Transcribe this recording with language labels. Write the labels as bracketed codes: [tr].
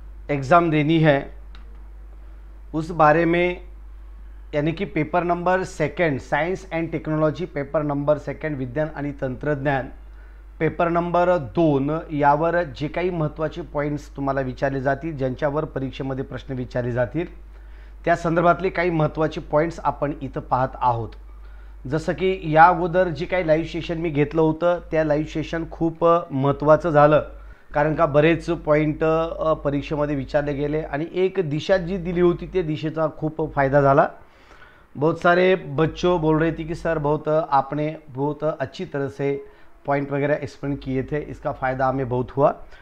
[hi] Exam देनी है, उस बारे में, यानी कि [mr] paper number second science end technology, paper number second विज्ञान आणि तंत्रज्ञान, पेपर नंबर 2 यावर जे काही महत्त्वाचे पॉइंट्स तुम्हाला विचारले जातील, ज्यांच्यावर परीक्षेमध्ये प्रश्न विचारले जातील, त्या संदर्भातले काही महत्त्वाचे पॉइंट्स आपण इथं पाहत आहोत। जसं की या अगोदर जे काही लाईव्ह सेशन मी घेतलं होतं त्या लाईव्ह सेशन खूप महत्त्वाचं झालं, कारण का बरेच पॉइंट परीक्षेमध्ये विचारले गेले आणि एक दिशा जी दिली होती त्या दिशेचा खूप फायदा झाला। [hi] बहुत सारे बच्चों बोल रहे थे कि सर बहुत आपने बहुत अच्छी तरह से पॉइंट वगैरह एक्सप्लेन किए थे, इसका फ़ायदा हमें बहुत हुआ।